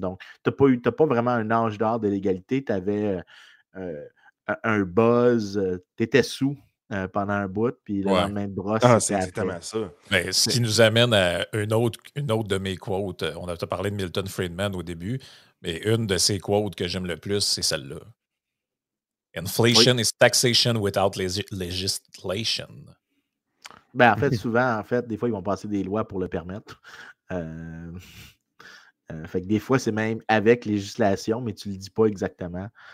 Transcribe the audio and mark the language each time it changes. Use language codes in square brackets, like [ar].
[fr] Donc, tu n'as pas vraiment un âge d'or de l'égalité. Tu avais un buzz, tu étais sous pendant un bout, puis le lendemain de brosse, c'est exactement ça. Mais ce qui nous amène à une autre de mes quotes, on a parlé de Milton Friedman au début, mais une de ses quotes que j'aime le plus, c'est celle-là. [en] Inflation is taxation without legislation. [fr] Ben, en fait, souvent, en fait, des fois, ils vont passer des lois pour le permettre. Fait que des fois, c'est même avec législation, mais tu le dis pas exactement.